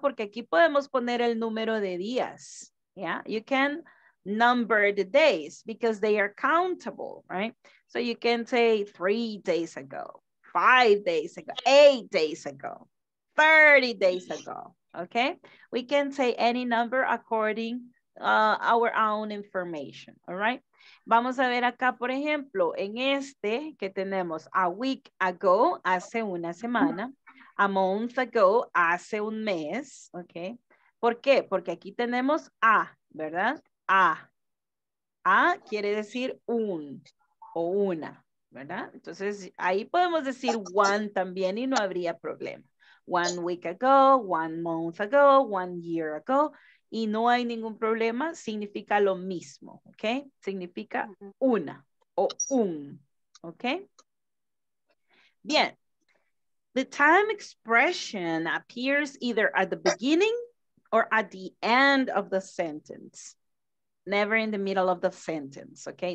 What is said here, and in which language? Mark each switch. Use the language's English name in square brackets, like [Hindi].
[Spanish] Porque aquí podemos poner el número de días, yeah? [English] You can number the days because they are countable, right? So you can say 3 days ago, 5 days ago, 8 days ago, 30 days ago. Okay, we can say any number according our own information, all right? [Spanish] Vamos a ver acá, por ejemplo, en este que tenemos [English] a week ago, [Spanish] hace una semana, [English] a month ago, [Spanish] hace un mes, okay? ¿Por qué? Porque aquí tenemos a, ¿verdad? A. A quiere decir un o una, ¿verdad? Entonces, ahí podemos decir one también y no habría problema. [English] 1 week ago, 1 month ago, 1 year ago, [Spanish] y no hay ningún problema, significa lo mismo, ¿ok? Significa una o un, Okay. Bien. [English] The time expression appears either at the beginning or at the end of the sentence. Never in the middle of the sentence, okay?